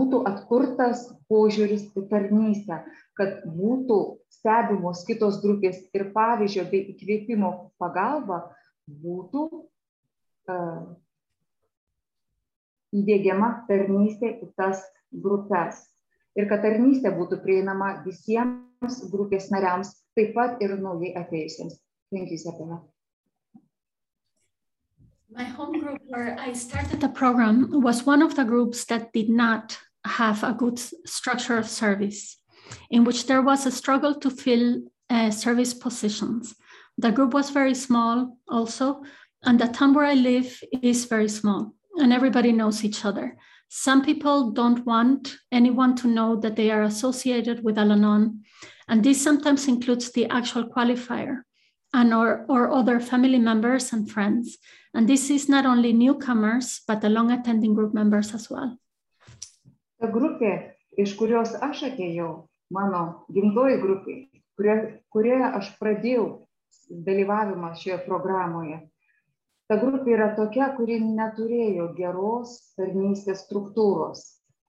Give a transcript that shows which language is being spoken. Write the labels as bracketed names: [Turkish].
[Lithuanian] atkurtas požiūris į tarnystę, kad būtų stebimos kitos grupės ir pavyzdžio bei įkvėpimo pagalba būtų įdiegiama tarnystė į tas grupės. Ir kad tarnystė būtų prieinama visiems grupės nariams, taip pat ir naujai atėjusiems. [English] Thank you, Sabina. My home group where I started the program was one of the groups that did not have a good structure of service, in which there was a struggle to fill service positions. The group was very small also, and the town where I live is very small and everybody knows each other. Some people don't want anyone to know that they are associated with Al-Anon, and this sometimes includes the actual qualifier and or other family members and friends. And this is not only newcomers, but the long attending group members as well. [Lithuanian] Ta grupė, iš kurios aš atėjau, mano gimtoji grupė, kurioje aš pradėjau dalyvavimą šioje programoje, ta grupė yra tokia, kuri neturėjo geros tarnystės struktūros.